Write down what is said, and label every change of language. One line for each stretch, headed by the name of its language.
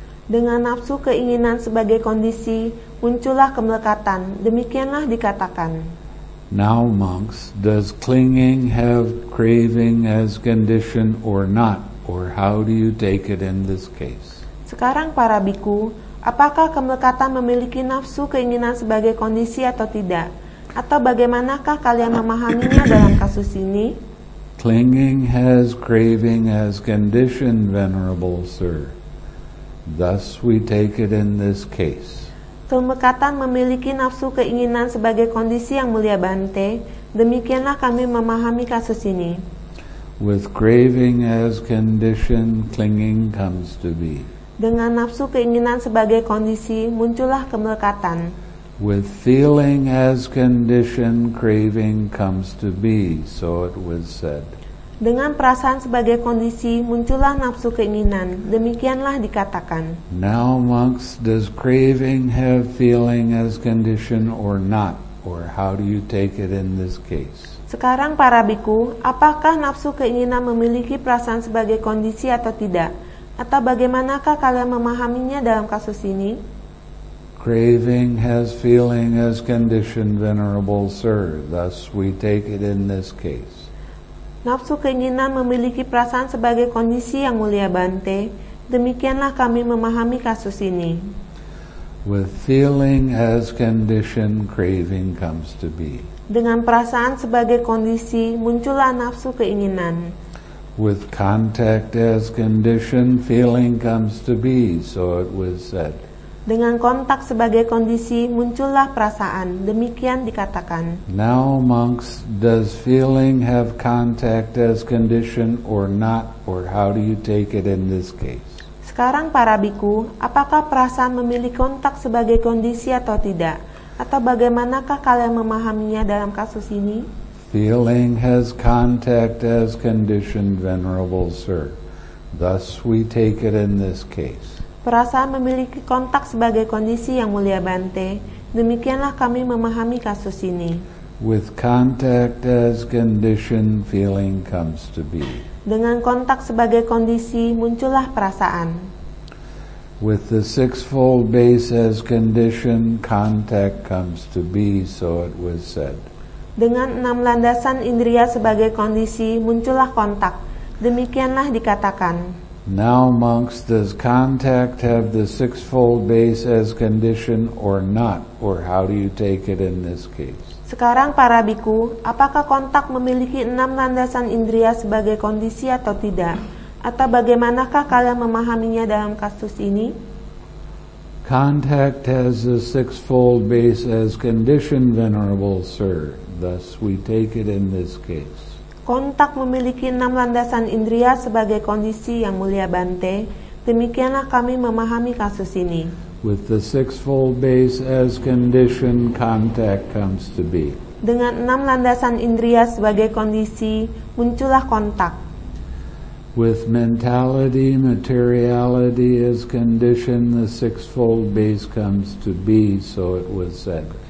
Indonesian: Dengan nafsu keinginan sebagai kondisi, muncullah kemelekatan. Demikianlah dikatakan.
English: Now, monks, does clinging have craving as condition or not? Or how do you take it in this case?
Indonesian: Sekarang, para bhikkhu, apakah kemelekatan memiliki nafsu keinginan sebagai kondisi atau tidak? Atau bagaimanakah kalian memahaminya dalam kasus ini?
English: Clinging has craving as condition, venerable sir. Thus we take it in this case.
Indonesian: Kemelekatan memiliki nafsu keinginan sebagai kondisi yang mulia Bante. Demikianlah kami memahami kasus ini.
English: With craving as condition, clinging comes to be.
Indonesian: Dengan nafsu keinginan sebagai kondisi, muncullah kemelekatan.
English: With feeling as condition, craving comes to be, so it was said.
Indonesian: Dengan perasaan sebagai kondisi, muncullah nafsu keinginan. Demikianlah dikatakan.
English: Now, monks, does craving have feeling as condition or not? Or how do you take it in this case?
Indonesian: Sekarang, para bhikkhu, apakah nafsu keinginan memiliki perasaan sebagai kondisi atau tidak? Atau bagaimanakah kalian memahaminya dalam kasus ini?
English: Craving has feeling as condition, venerable sir. Thus we take it in this case.
Indonesian: Nafsu keinginan memiliki perasaan sebagai kondisi yang mulia Bante. Demikianlah kami memahami kasus ini.
English: With feeling as condition, craving comes to be.
Indonesian: Dengan perasaan sebagai kondisi, muncullah nafsu keinginan.
English: With contact as condition, feeling comes to be, so it was said.
Indonesian: Dengan kontak sebagai kondisi, muncullah perasaan. Demikian dikatakan.
English: Now, monks, does feeling have contact as condition or not? Or how do you take it in this case?
Indonesian: Sekarang, para bhikkhu, apakah perasaan memiliki kontak sebagai kondisi atau tidak? Atau bagaimanakah kalian memahaminya dalam kasus ini?
English: Feeling has contact as conditioned, venerable sir. Thus we take it in this case.
Indonesian: Perasaan memiliki kontak sebagai kondisi yang mulia Bante. Demikianlah kami memahami kasus ini.
English: With contact as condition, feeling comes to be.
Indonesian: Dengan kontak sebagai kondisi, muncullah perasaan.
English: With the sixfold base as condition, contact comes to be, so it was said.
Indonesian: Dengan enam landasan indria sebagai kondisi, muncullah kontak. Demikianlah dikatakan.
English: Now, monks, does contact have the sixfold base as condition or not? Or how do you take it in this case?
Indonesian: Sekarang para biku, apakah kontak memiliki enam landasan indria sebagai kondisi atau tidak? Atau bagaimanakah kalian memahaminya dalam kasus ini?
English: Contact has a sixfold base as condition, venerable sir. Thus we take it in this case.
Indonesian: Kontak memiliki enam landasan indria sebagai kondisi yang mulia Bante. Demikianlah kami memahami kasus ini.
English: With the sixfold base as condition, contact comes to be.
Indonesian: Dengan enam landasan indria sebagai kondisi, muncullah kontak.
English: With mentality, materiality as condition, the sixfold base comes to be, so it was said.